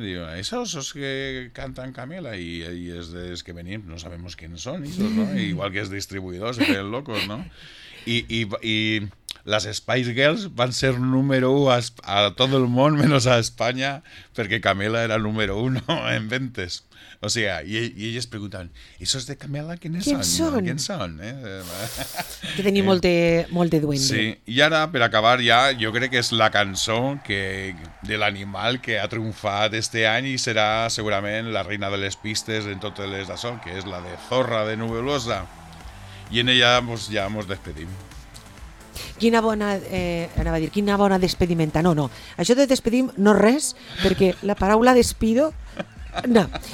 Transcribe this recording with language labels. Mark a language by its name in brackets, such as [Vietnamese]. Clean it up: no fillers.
[Catalan] I diuen, esos els que canten Camela, i és dels que venien, [Spanish] no sabemos [Catalan] quins són, esos, no? Igual que els distribuïdors, se feien locos, no? I les Spice Girls van ser número 1 a tot el món, menys a Espanya, perquè Camela era número 1 en ventes. [Spanish] O sea, y ellos preguntan, ¿esos de Camela quiénes ¿Quién son? ¿No? ¿Quién son? Que tenía molt de duende. Sí, y ahora, para acabar ya, yo creo que es la canción que, del animal que ha triunfado este año y será seguramente la reina de las pistes en todo el estación, que es la de Zorra de Nubelosa. Y en ella pues, ya nos despedimos. [Catalan] Quina bona, anava a dir, quina bona despedimenta. No, no, això de despedim no res, perquè la paraula despido, no.